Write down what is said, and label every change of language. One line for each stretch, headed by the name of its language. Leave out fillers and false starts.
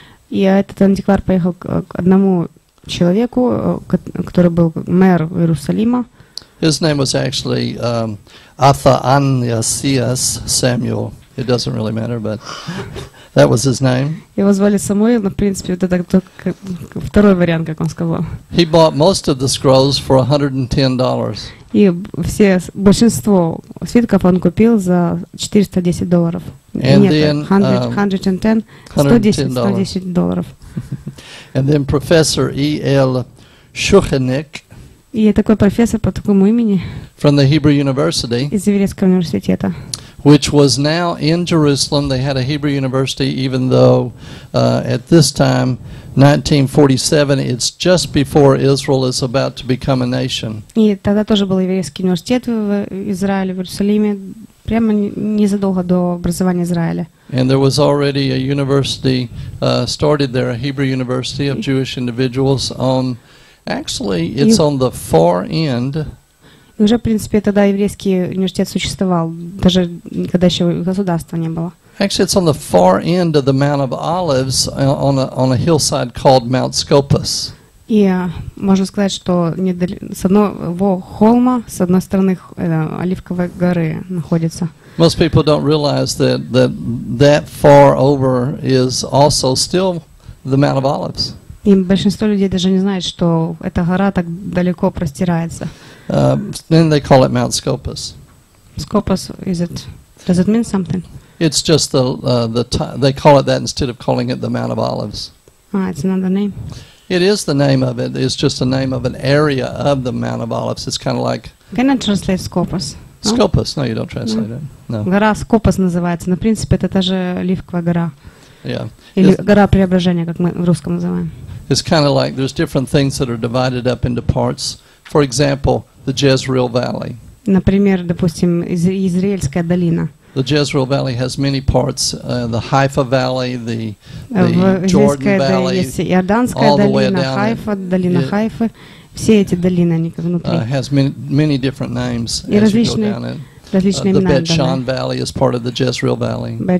Russian: И этот антиквар поехал к одному человеку, который был мэр Иерусалима.
English: His name was actually Athanasius Samuel. It doesn't really matter, but that was his name.
Russian: Его звали Самуил, но в принципе вот это второй вариант, как он сказал.
English: He bought most of the scrolls for $110.
Russian: И все большинство свитков он купил за $410.
English: $110. And then Professor E.L. Shuchenik.
Russian: И такой профессор по такому имени.
English: From the Hebrew University.
Russian: Из еврейского университета.
English: which was now in Jerusalem. They had a Hebrew university, even though at this time, 1947, it's just before Israel is about to become a nation.
Russian: И тогда тоже был еврейский университет в Израиле, в Иерусалиме, прямо незадолго до образования Израиля.
English: And there was already a university started there, a Hebrew university of Jewish individuals on, actually, it's on the far end.
Russian: И уже, в принципе, тогда еврейский университет существовал, даже когда еще государства не было.
English: Actually, it's on the far end of the Mount of Olives on a hillside called Mount Scopus.
Russian: И можно сказать, что с одного холма, с одной стороны Оливковой горы находится.
English: Most people don't realize that far over is also still the Mount of Olives.
Russian: И большинство людей даже не знают, что эта гора так далеко простирается.
English: Then they call it Mount Scopus. Scopus, does it mean something? It's just they call it that instead of calling it the Mount of Olives. Ah, it's another name. It is the name of it. It's just the name of an area of the Mount of Olives. It's kind of like... Can I translate Scopus? Scopus, no, you don't translate it. No.
Russian: Гора Скопос называется. На принципе, это та же Оливковая гора.
English: Yeah.
Russian: Или гора Преображения, как мы в русском называем.
English: It's kind of like there's different things that are divided up into parts. For example, the Jezreel Valley.
Russian: Например, допустим, Израильская долина.
English: The Jezreel Valley has many parts, the Haifa Valley, the Jordan Valley, all the way down it. Has many different names as you go down it. The Bet-Shan Valley is part of the Jezreel Valley.